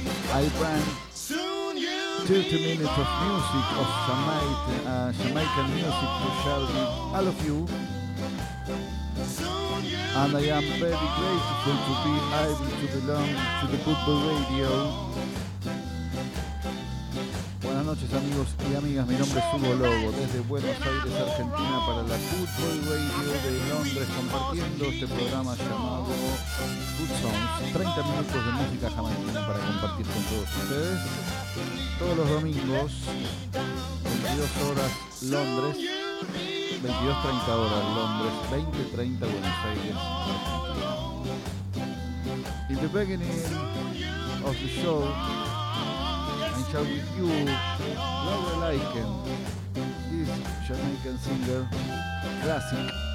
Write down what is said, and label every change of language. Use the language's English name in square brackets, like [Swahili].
[English] I bring 30 minutes of music of Jamaican music to share with all of you. And I am very grateful to be able to belong to the Football Radio. [Spanish] Buenas noches, amigos y amigas, mi nombre es Hugo Lobo, desde Buenos Aires, Argentina, para la Football Radio de Londres, compartiendo este programa llamado Good Songs, 30 minutos de música jamaicana para compartir con todos ustedes, todos los domingos, 22 horas Londres, 22:30 horas Londres, 20:30 Buenos Aires, Argentina. [English] In the beginning of the show, with you, Laura Lyken, this Jamaican singer, classic.